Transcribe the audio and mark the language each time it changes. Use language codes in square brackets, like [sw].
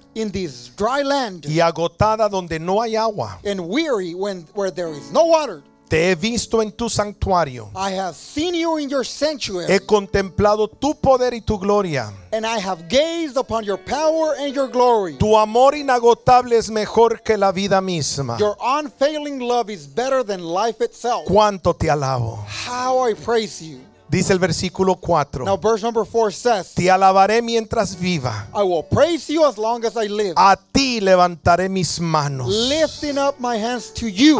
[en] In this dry land. [es] Y agotada donde no hay agua. [en] And weary where there is no water. [es] Te he visto en tu santuario. [en] I have seen you in your sanctuary. [es] He contemplado tu poder y tu gloria. [en] And I have gazed upon your power and your glory. [es] Tu amor inagotable es mejor que la vida misma. [en] Your unfailing love is better than life itself. [es] Cuánto te alabo. [en] How I praise you. [es] Dice el versículo 4. [en] Now verse number 4 says. [es] Te alabaré mientras viva. [en] I will praise you as long as I live. [es] A ti levantaré mis manos. [en] Lifting up my hands to you.